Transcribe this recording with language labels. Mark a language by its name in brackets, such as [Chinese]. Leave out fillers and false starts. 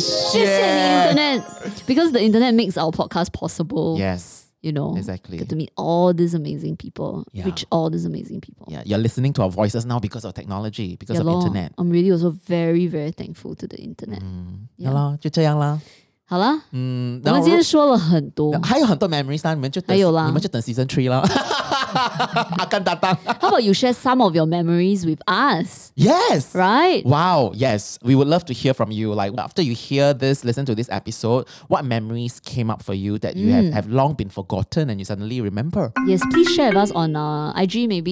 [Chinese] 谢谢你, [English] internet. Because the internet makes our podcast possible. Yes. You know. Exactly. Get to meet all these amazing people. Yeah. Reach all these amazing people. Yeah. You're listening to our voices now because of technology, because yeah, of internet. I'm really also very, very thankful to the internet. Yeah. [Chinese] 好啦，我们今天说了很多，还有很多 memories 啦，你们就等，你们就等 season 3 啦。阿甘搭档，How [English] about you share some of your memories with us? Yes, right. Wow, yes, we would love to hear from you. Like after you hear this, listen to this episode, what memories came up for you that you have long been forgotten and you suddenly remember? Yes, please share with us on IG maybe.